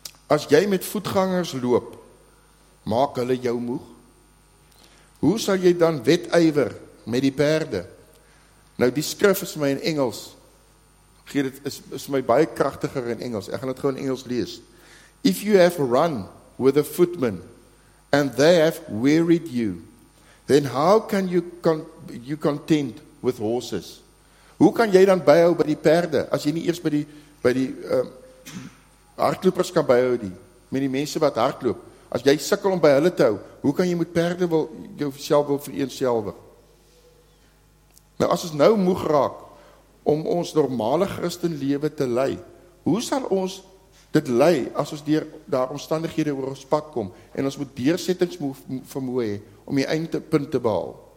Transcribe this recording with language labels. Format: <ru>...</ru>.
<af>As jy met voetgangers loop, maak hulle jou moeg. Hoe sal jy dan wedywer met die perde? Nou die skrif is my in Engels. Gee dit is my baie kragtiger in Engels. Ek gaan dit gewoon in Engels lees.</af> <en>If you have run with a footman and they have wearied you, then how can you contend with horses?</en> <af>Hoe kan jy dan byhou by die perde as jy nie eers by die hardlopers kan byhou die met die mense wat hardloop? As jy sukkel om by hulle te hou, hoe kan jy met perde wil jouself wil vereenselwig? Nou as ons nou moeg raak om ons normale Christen lewe te lei, hoe sal ons dit lei as ons deur daar omstandighede oor ons pad kom en ons moet deursettings vermoë hê om die eindpunt te behaal?</af>